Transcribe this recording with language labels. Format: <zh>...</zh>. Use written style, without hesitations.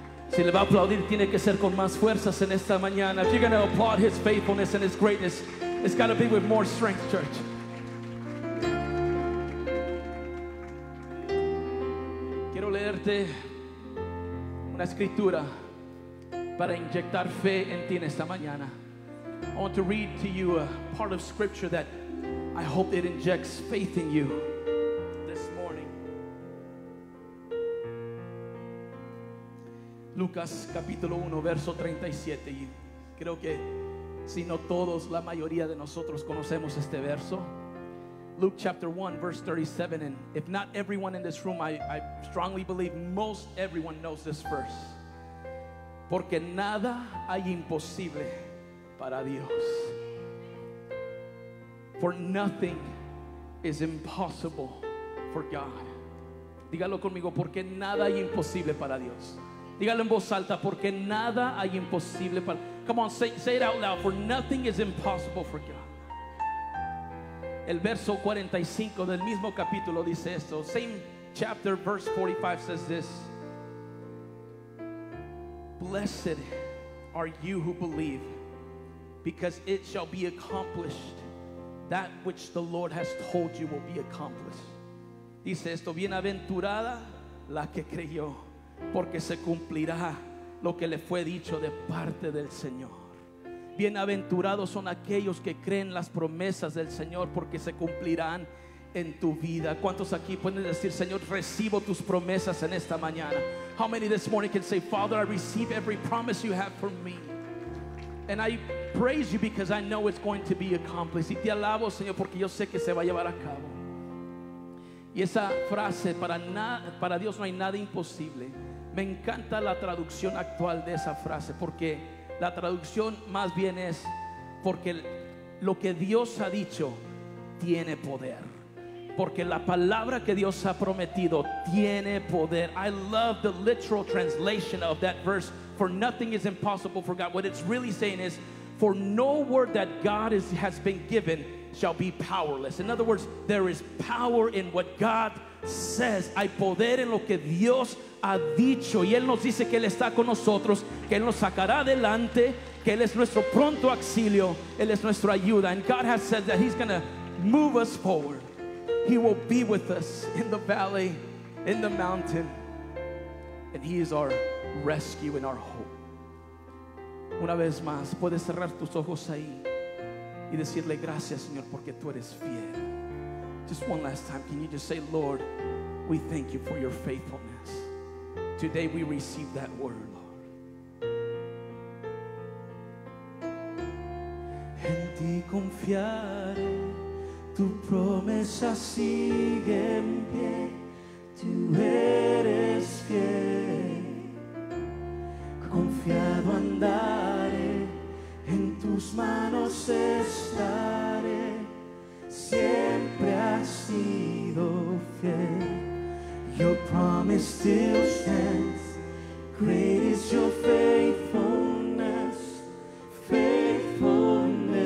<es>Si le va a aplaudir, tiene que ser con más fuerzas en esta mañana.</es> <en>If you're going to applaud his faithfulness and his greatness, it's got to be with more strength, church.</en> <es>Quiero leerte una escritura para inyectar fe en ti en esta mañana.</es> <en>I want to read to you a part of scripture that I hope it injects faith in you this morning.</en> <es>Lucas capítulo 1 verso 37. Y creo que si no todos, la mayoría de nosotros conocemos este verso.</es> <en>Luke chapter 1 verse 37, and if not everyone in this room, I strongly believe most everyone knows this verse.</en> <es>Porque nada hay imposible para Dios.</es> <en>For nothing is impossible for God.</en> <es>Dígalo conmigo, porque nada hay imposible para Dios. Dígalo en voz alta, porque nada hay imposible para.</es> <en>Come on, say it out loud. For nothing is impossible for God.</en> <es>El verso 45 del mismo capítulo dice esto.</es> <en>Same chapter, verse 45 says this. Blessed are you who believe, because it shall be accomplished that which the Lord has told you will be accomplished.</en> <es>Dice esto: bienaventurada la que creyó, porque se cumplirá lo que le fue dicho de parte del Señor. Bienaventurados son aquellos que creen las promesas del Señor, porque se cumplirán en tu vida. ¿Cuántos aquí pueden decir, Señor, recibo tus promesas en esta mañana?</es> <en>How many this morning can say, Father, I receive every promise you have for me, and I praise you because I know it's going to be accomplished.</en> <es>Y te alabo, Señor, porque yo sé que se va a llevar a cabo. Y esa frase, para Dios no hay nada imposible, me encanta la traducción actual de esa frase, porque la traducción más bien es, porque lo que Dios ha dicho tiene poder. Porque la palabra que Dios ha prometido tiene poder.</es> <en>I love the literal translation of that verse. For nothing is impossible for God. What it's really saying is, for no word that God has been given shall be powerless. In other words, there is power in what God says.</en> <es>Hay poder en lo que Dios ha dicho. Y Él nos dice que Él está con nosotros, que Él nos sacará adelante, que Él es nuestro pronto auxilio, Él es nuestra ayuda.</es> <en>And God has said that He's going to move us forward. He will be with us in the valley, in the mountain, and He is our rescue and our hope.</en> <es>Una vez más, puedes cerrar tus ojos ahí y decirle gracias, Señor, porque tú eres fiel.</es> <en>Just one last time, can you just say, Lord, we thank you for your faithfulness. Today we receive that word, Lord.</en> <es>En ti confiaré. Tu promesa sigue en pie, tú eres fiel. Confiado andaré, en tus manos estaré, siempre has sido fiel.</es> <en>Your promise still stands, great is your faithfulness, faithfulness.</en>